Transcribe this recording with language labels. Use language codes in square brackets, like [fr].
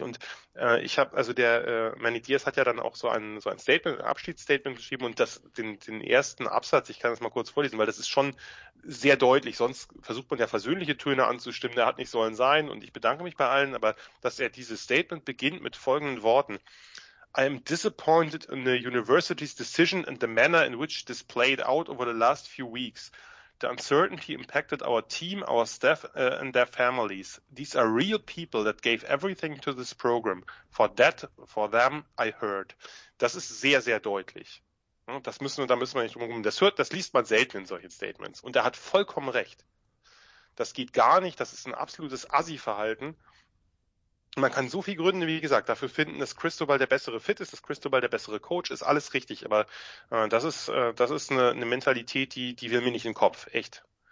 [de] Und Manny Diaz hat ja dann auch so ein Statement, ein Abschiedsstatement geschrieben und den ersten Absatz, ich kann das mal kurz vorlesen, weil das ist schon sehr deutlich. Sonst versucht man ja versöhnliche Töne anzustimmen, der hat nicht sollen sein und ich bedanke mich bei allen, aber dass er dieses Statement beginnt mit folgenden Worten: [en] I am disappointed in the university's decision and the manner in which this played out over the last few weeks. The uncertainty impacted our team, our staff, and their families. These are real people that gave everything to this program. For them, I heard. [de] Das ist sehr, sehr deutlich. Da müssen wir nicht drum herum. Das liest man selten in solchen Statements. Und er hat vollkommen recht. Das geht gar nicht. Das ist ein absolutes Assi-Verhalten. Man kann so viele Gründe, wie gesagt, dafür finden, dass Cristobal der bessere Fit ist, dass Cristobal der bessere Coach ist, alles richtig, aber das ist eine Mentalität, die will mir nicht in den Kopf, echt.